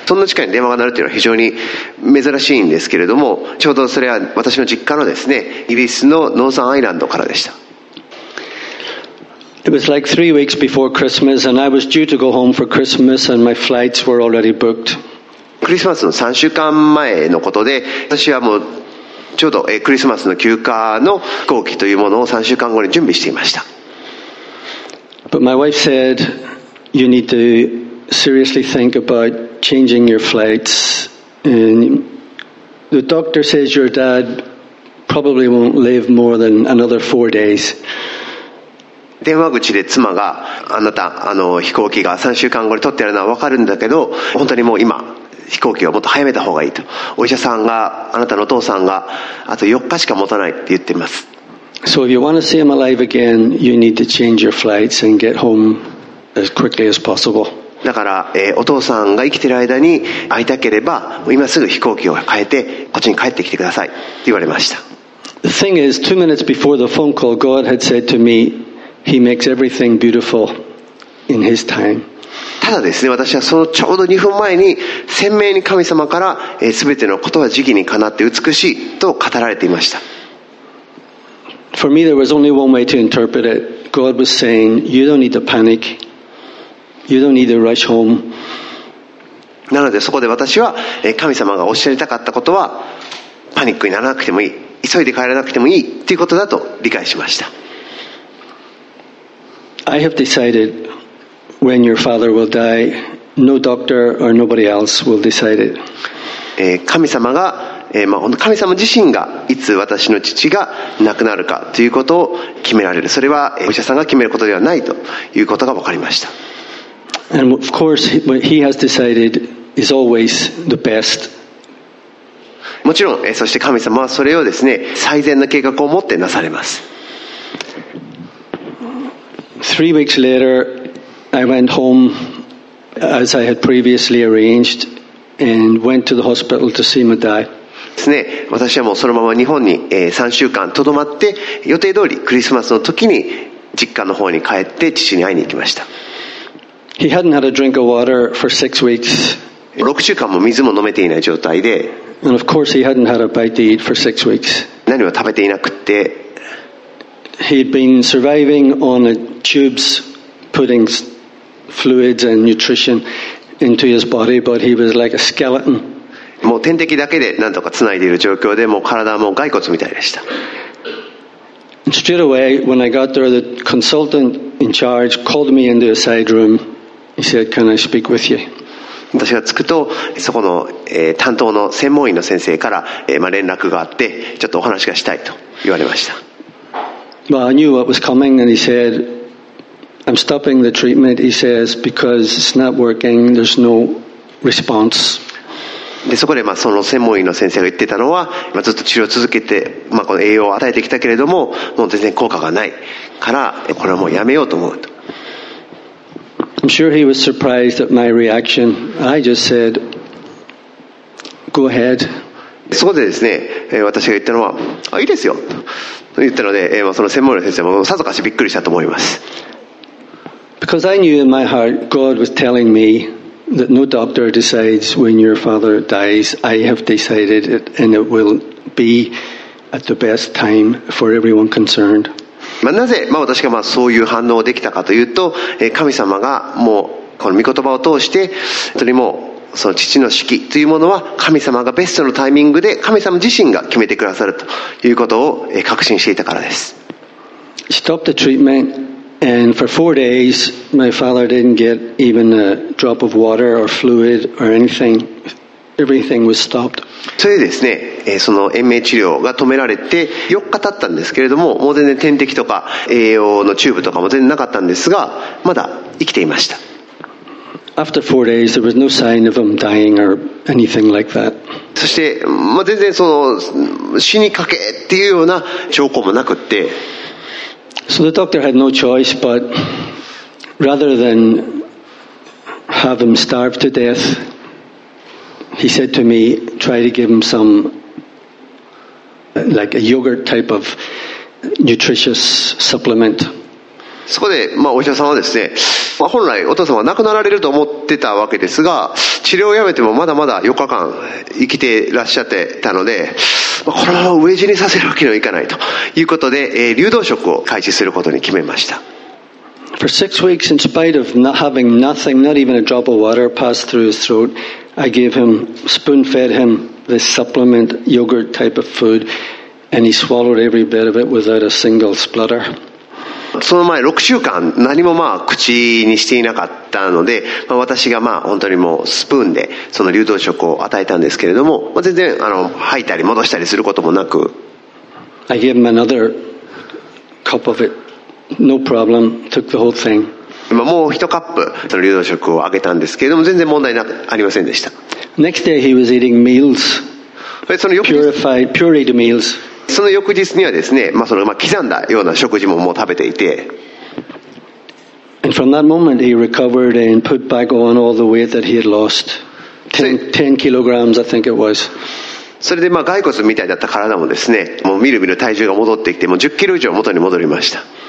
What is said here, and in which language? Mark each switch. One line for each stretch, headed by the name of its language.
Japanese: そんな時間に電話が鳴るというのは非常に珍しいんですけれども、ちょうどそれは私の実家のですね、イギリスのノーザンアイランドからでした。
English: It was like 3 weeks before Christmas, and I was due to go home for Christmas, and my flights were already booked.
Japanese: クリスマスの3週間前のことで、私はもうちょうどクリスマスの休暇の飛行機というものを3週間後に準備していました。
English: But my wife said, you need to seriously think about changing your flights. And the doctor says your dad probably won't live more than another 4 days.
Japanese: 電話口で妻が、あなた飛行機が3週間後に取ってやるのは分かるんだけど、本当にもう今飛行機をもっと早めた方がいいと、お医者さんが、あなたのお父さんがあと4日しか持たないって言っています。
English: So if you want to see him alive again, you need to change your flights and get home as quickly as possible.
Japanese: だから、お父さんが生きている間に会いたければ今すぐ飛行機を変えてこっちに帰ってきてくださいって言われました。
English: The thing is, 2 minutes before the phone call, God had said to meHe makes everything beautiful in his time.
Japanese: ただですね、私はそのちょうど2分前に鮮明に神様から、全てのことは時期にかなって美しいと語られていました。
English: For me there was only one way to interpret it. God was saying, you don't need to panic. You don't need to rush home.
Japanese: なのでそこで私は、神様がおっしゃりたかったことは、パニックにならなくてもいい、急いで帰らなくてもいいということだと理解しました。
English: I have decided when your father will die. No doctor or nobody else will decide it.
Japanese: 神様が、神様自身がいつ私の父が亡くなるかということを決められる。それは、お医者さんが決めることではないということが分かりました。
English: And of course, what he has decided is always the best.
Japanese: もちろん、そして神様はそれをですね、最善の計画を持ってなされます。
English: 3 weeks later, I went home as I had previously arranged and went to the hospital to see my dad.
Japanese: ですね、私はもうそのまま日本に3週間とどまって、予定通りクリスマスの時に実家の方に帰って父に会いに行きました。
English: He hadn't had a drink of water for 6 weeks.
Japanese: 6週間も水も飲めていない状態で。
English: And of course he hadn't had a bite to eat for 6 weeks.
Japanese: 何も食べていなくて。
English: He'd been surviving on a tubes, putting fluids and nutrition into his body, but he was like a skeleton.
Japanese: もう点滴だけでなんとかつないでいる状況で、もう体も骸骨みたいでした。
English: Straight away, when I got there, the consultant in charge called me into a side room. He said, "Can I speak with you?"
Japanese: 私が着くと、そこの、担当の専門医の先生から、連絡があって、ちょっとお話がしたいと言われました。
English: Well, I knew what was coming, and he said, I'm stopping the treatment, he says, because it's not working, there's no response.
Japanese: でそこでまあその専門医の先生が言ってたのは、まあ、ずっと治療を続けて、まあ、この栄養を与えてきたけれどももう全然効果がないからこれはもうやめようと思うと。
English: I'm sure he was surprised at my reaction. I just said, go ahead.
Japanese: そこでですね、私が言ったのはあいいですよと言ったので、その専門医の先生もさぞかしびっくりしたと思います。
English: Because I knew in my heart God was telling meThat no doctor decides when your father dies. I have decided it, and it will be at the best time for everyone concerned.
Japanese: まあなぜ、まあ、私がまあそういう反応できたかというと、神様がもうこの御言葉を通して、本当にもうその父の死期というものは神様がベストのタイミングで神様自身が決めてくださるということを確信していたからです。
English: Stop the treatment. And for four days, my father didn't get even a drop of water or fluid or anything. Everything was stopped.
Japanese: それでですね、その延命治療が止められて4日経ったんですけれども、もう全然点滴とか栄養のチューブとかも全然なかったんですが、まだ生きていました。
English: After four days, there was no sign of him dying or anything like that.
Japanese: そして、まあ、全然その死にかけっていうような兆候もなくって、
English: So the doctor had no choice but rather than have him starve to death, he said to me, try to give him some, like a yogurt type of nutritious supplement.
Japanese: そこで、まあ、お医者さんはですね、まあ、本来お父様は亡くなられると思ってたわけですが、治療をやめてもまだまだ4日間生きてらっしゃってたので、このまま飢え死にさせるわけにはいかないということで、流動食を開始することに決めました。
English: For six weeks, in spite of not having nothing, not even a drop of water passed through his throat, I gave him, spoon-fed him this supplement, yogurt type of food, and he swallowed every bit of it without a single splutter.
Japanese: その前6週間何もまあ口にしていなかったので、まあ、私がまあ本当にもうスプーンでその流動食を与えたんですけれども、まあ、全然あの吐いたり戻したりすることもなく
English: I gave him another cup of it. No problem. Took the whole thing.
Japanese: まあもう1カップその流動食をあげたんですけれども全然問題なくありませんでした。
English: Next day he was eating meals. Purified, pureed meals.
Japanese: その翌日にはですね、まあ、そのまあ刻んだような食事ももう食べていて。
English: And from that moment he recovered and put back on all the weight that he had lost. 10 kilograms, I think it was.
Japanese: それでまあ骸骨みたいだった体もですね、もうみるみる体重が戻ってきて、もう10キロ以上元に戻りました。